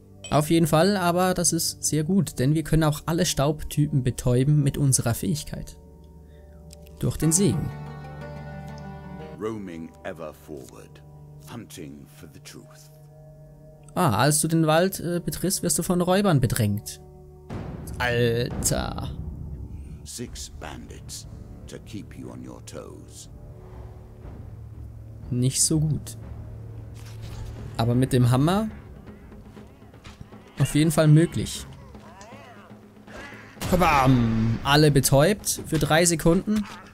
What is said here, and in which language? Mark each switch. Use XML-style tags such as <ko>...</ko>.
<de>Auf jeden Fall, aber das ist sehr gut, denn wir können auch alle Staubtypen betäuben mit unserer Fähigkeit. Durch den Segen.</de> <en>Roaming ever forward, hunting for the truth.</en> <de>Ah, als du den Wald betrittst, wirst du von Räubern bedrängt. Alter.</de> <en>6 Bandits to keep you on your toes.</en> <de>Nicht so gut. Aber mit dem Hammer auf jeden Fall möglich. Bam! Alle betäubt für 3 Sekunden.</de>